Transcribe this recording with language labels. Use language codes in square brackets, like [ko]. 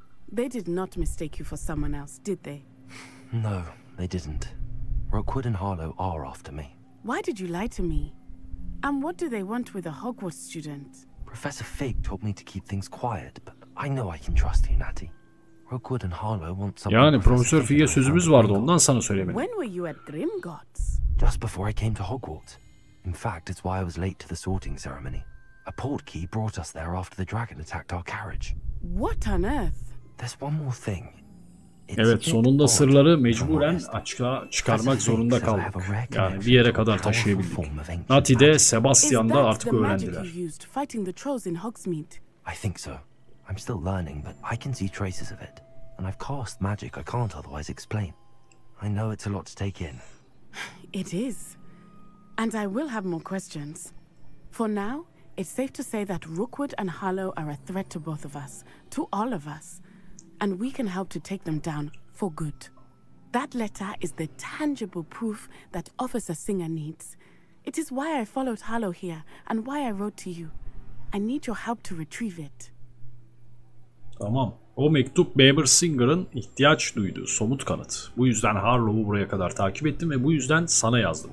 [en] They did not mistake you for someone else, did they? No, they didn't. Rookwood and Harlow are after me. Why did you lie to me? And what do they want with a Hogwarts student? Professor Fig told me to keep things quiet, but I know I can trust you, Nati. Rookwood and Harlow want someone. [tr] Yani Profesör Fig'e sözümüz vardı, ondan sana söylemedim. [en] When were you at Gringotts? Just before I came to Hogwarts. In fact, it's why I was late to the sorting ceremony. A portkey brought us there after the dragon attacked our carriage. What on earth? There's one more thing. [tr] Evet, sonunda sırları mecburen açığa çıkarmak zorunda kaldık. Yani bir yere kadar taşıyabildik. Nati de Sebastian da artık öğrendiler. [en] I think so. I'm still learning, but I can see traces of it. And I've cast magic I can't otherwise explain. I know it's a lot to take in. It is. And I will have more questions. For now, it's safe to say that Rookwood and Harlow are a threat to both of us, to all of us. And we can help to take them down for good. That letter is the tangible proof that Officer Singer needs. It is why I followed Harlow here and why I wrote to you. I need your help to retrieve it. [tr] Tamam. O mektup Bamber Singer'ın ihtiyaç duyduğu somut kanıt. Bu yüzden Harlow'u buraya kadar takip ettim ve bu yüzden sana yazdım.